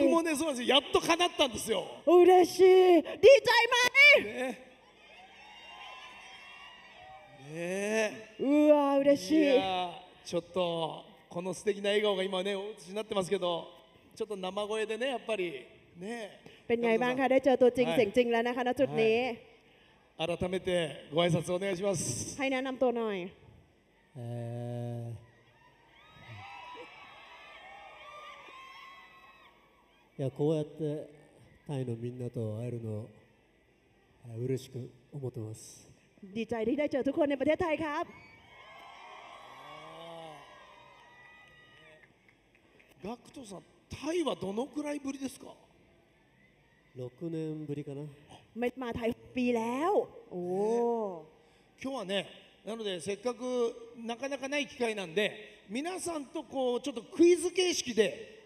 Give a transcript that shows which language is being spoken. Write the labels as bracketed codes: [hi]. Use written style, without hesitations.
[ja] 僕もね、そうなんですよ。やっと叶ったんですよ。嬉しい。ディジャイマイ。ねえ。うわ、嬉しい。いや、ちょっとこの素敵な笑顔が今ね、お写しになってますけど、ちょっと生声でね、やっぱりね。 [th] เป็นไงบ้างคะได้เจอตัวจริงเสียงจริงแล้วนะคะณจุดนี้ [ja] 改めてご挨拶お願いします。 [th] ให้แนะนำตัวหน่อย。 [ja] いやこうやってタイのみんなと会えるのを嬉しく思ってます。 [th] ดีใจที่ได้เจอทุกคนในประเทศไทยครับ。 [ja] ガクトさん、タイはどのくらいぶりですか？ 6年ぶりかな。 [th] ไม่มาไทยปีแล้ว。 [ja] おお。今日はね、なのでせっかくなかなかない機会なんで、皆さんとこうちょっとクイズ形式で。